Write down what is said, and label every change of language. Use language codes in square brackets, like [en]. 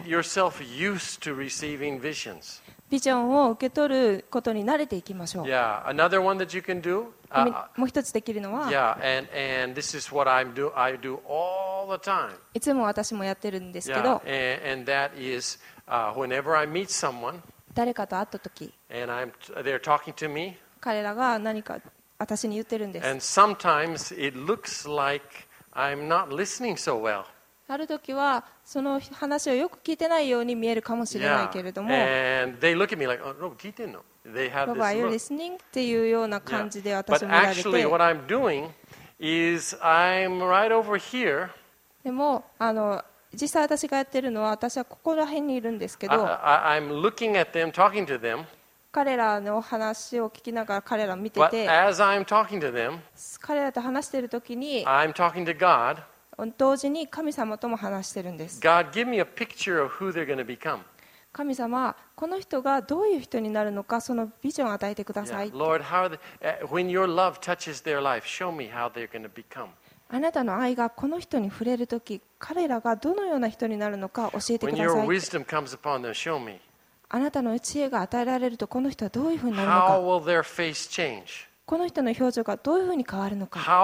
[en] Get yourself used to receiving visions. [ja] ビジョンを受け取ることに慣れていきましょう。 [en] Yeah. Another one that you can do, [ja] もう一つできるのは、 [en] yeah. and this is what I do all the time. [ja] いつも私もやってるんですけど、 [en] yeah. and that is, whenever I meet someone, [ja] 誰かと会った時、 [en] and they're talking to me, [ja] 彼らが何か私に言ってるんです。 [en] And sometimes it looks like I'm not listening so well. [ja] ある時はその話をよく聞いてないように見えるかもしれないけれども、 [en] And they look at me like, oh, Rob, [ja] 聞いてんの? [en] They have this look. Rob, are you listening? [ja] っていうような感じで私も見られて、 [en] But actually, what I'm doing is I'm right over here. [ja] でも、実際私がやってるのは、私はここら辺にいるんですけど、 [en] I'm looking at them, talking to them. [ja] 彼らの話を聞きながら彼らを見てて、 [en] But as I'm talking to them, [ja] 彼らと話しているときに、 [en] I'm talking to God. [ja] 同時に神様とも話してるんです。 [en] God, give me a picture of who they're going to become. [ja] 神様、この人がどういう人になるのか、そのビジョンを与えてください。 [en] Yeah. Lord, how the, when your love touches their life, show me how they're going to become. [ja] あなたの愛がこの人に触れるとき、彼らがどのような人になるのか教えてください。 [en] Them, [ja] あなたの知恵が与えられると、この人はどういうふうになるのか。この人の表情がどういうふうに変わるのか。